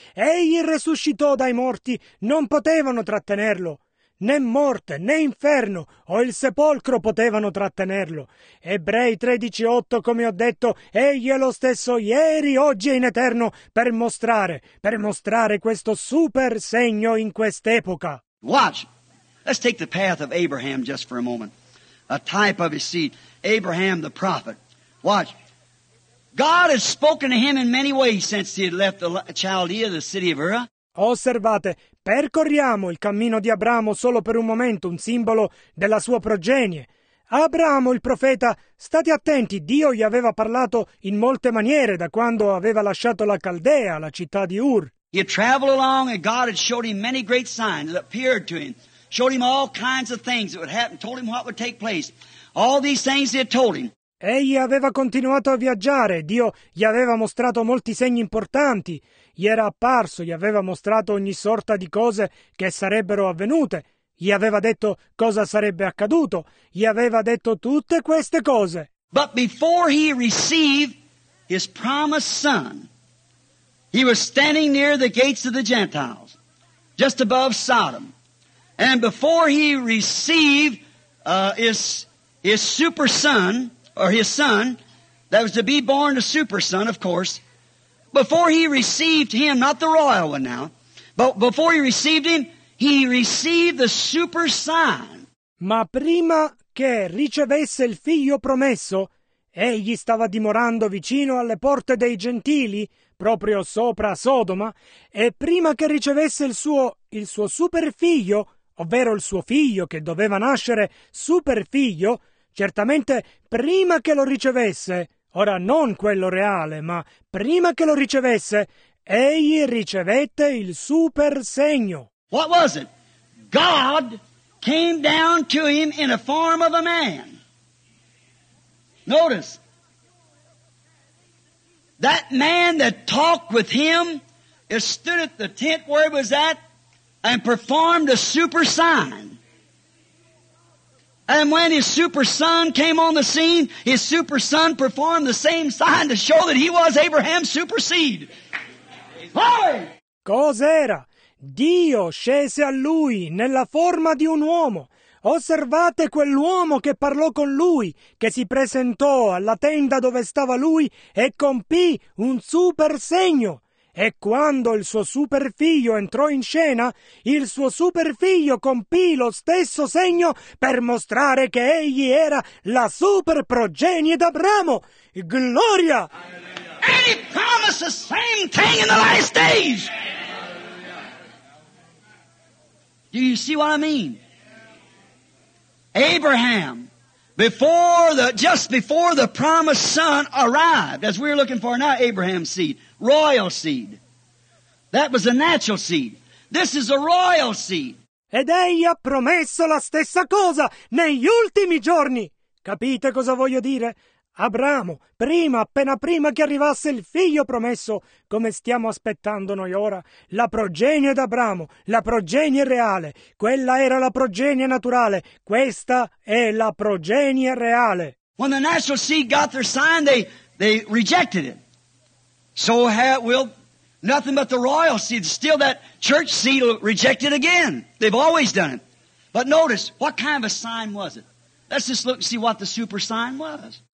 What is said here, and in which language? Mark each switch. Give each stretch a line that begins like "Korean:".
Italian: Egli resuscitò dai morti. Non potevano trattenerlo. Né morte, né inferno, o il sepolcro potevano trattenerlo. Ebrei 13:8, come ho detto, egli è lo stesso ieri, oggi e in eterno, per mostrare questo super segno in quest'epoca.
English: Watch. Let's take the path of Abraham just for a moment. a type of his seed, Abraham the prophet. Watch. God has spoken to him in many ways since he had left the Chaldea, the city of Ur.
Italian: Osservate, percorriamo il cammino di Abramo solo per un momento, un simbolo della sua progenie. Abramo, il profeta, state attenti, Dio gli aveva parlato in molte maniere da quando aveva lasciato la Caldea, la città di Ur.
English: He had traveled along and God had showed him many great signs that appeared to him. Showed him all kinds of things that would happen, told him what would take place. All these things he had told him.
Italian: Egli aveva continuato a viaggiare, Dio gli aveva mostrato molti segni importanti, gli era apparso, gli aveva mostrato ogni sorta di cose che sarebbero avvenute, gli aveva detto cosa sarebbe accaduto, gli aveva detto tutte queste cose.
English: But before he received his promised son, he was standing near the gates of the Gentiles, just above Sodom. And before he received his super son, or his son, that was to be born a super son, of course, before he received him, not the royal one now, but before he received him, he received the super sign.
Italian: Ma prima che ricevesse il figlio promesso, egli stava dimorando vicino alle porte dei gentili, proprio sopra Sodoma, e prima che ricevesse il suo super figlio, ovvero il suo figlio che doveva nascere super figlio, certamente prima che lo ricevesse, ora non quello reale, ma prima che lo ricevesse, egli ricevette il super segno.
English: What was it? God came down to him in a form of a man. Notice, that man that talked with him stood at the tent where he was at and performed a super sign. And when his super son came on the scene, his super son performed the same sign to show that he was Abraham's super seed. Hey!
Italian: Cos'era? Dio scese a lui nella forma di un uomo. Osservate quell'uomo che parlò con lui, che si presentò alla tenda dove stava lui e compì un super segno. E quando il suo super figlio entrò in scena, il suo super figlio compì lo stesso segno per mostrare che egli era la super progenie d'Abramo. Gloria!
English: And he promised the same thing in the last days. Do you see what I mean? Abraham, just before the promised son arrived, as we're looking for now, Abraham's seed, royal seed. That was a natural seed. This is a royal seed.
Italian: Ed egli ha promesso la stessa cosa negli ultimi giorni. Capite cosa voglio dire? Abramo, appena prima che arrivasse il figlio promesso, come stiamo aspettando noi ora, la progenie d'Abramo, la progenie reale, quella era la progenie naturale, questa è la progenie reale.
English: When the natural seed got their sign, they rejected it. So will nothing but the royal seed, still that church seed will reject it again. They've always done it. But notice, what kind of a sign was it? Let's just look and see what the super sign was.